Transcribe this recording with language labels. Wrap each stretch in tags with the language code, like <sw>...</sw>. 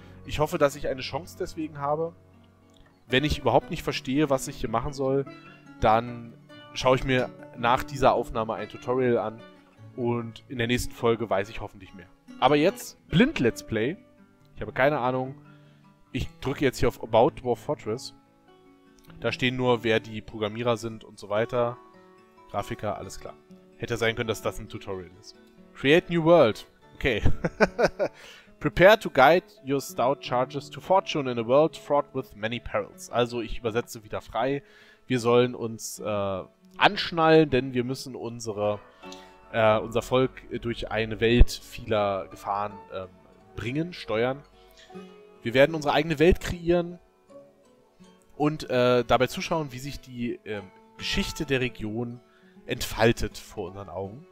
<de>Ich hoffe, dass ich eine Chance deswegen habe. Wenn ich überhaupt nicht verstehe, was ich hier machen soll, dann schaue ich mir nach dieser Aufnahme ein Tutorial an und in der nächsten Folge weiß ich hoffentlich mehr. Aber jetzt blind Let's Play. Ich habe keine Ahnung. Ich drücke jetzt hier auf About Dwarf Fortress. Da stehen nur, wer die Programmierer sind und so weiter. Grafiker, alles klar. Hätte sein können, dass das ein Tutorial ist.</de> <en>Create New World. Okay. Prepare to guide your stout charges to fortune in a world fraught with many perils.</en> <de>Also ich übersetze wieder frei. Wir sollen uns anschnallen, denn wir müssen unser Volk durch eine Welt vieler Gefahren bringen, steuern. Wir werden unsere eigene Welt kreieren und dabei zuschauen, wie sich die Geschichte der Region entfaltet vor unseren Augen.</de>